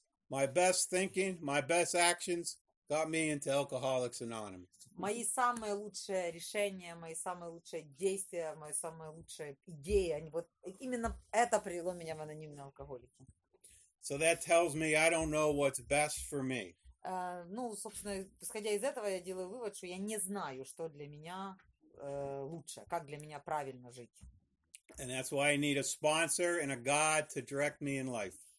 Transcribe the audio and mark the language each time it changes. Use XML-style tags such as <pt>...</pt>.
<en>My best thinking, my best actions got me into Alcoholics Anonymous.</en> <ru>Мои самые лучшие решения, мои самые лучшие действия, мои самые лучшие идеи, именно это привело меня в анонимные алкоголики.</ru> <en>So that tells me I don't know what's best for me.</en> <ru>Собственно, исходя из этого, я делаю вывод, что я не знаю, что для меня лучше, как для меня правильно жить.</ru> <en>And that's why I need a sponsor and a God to direct me in life.</en>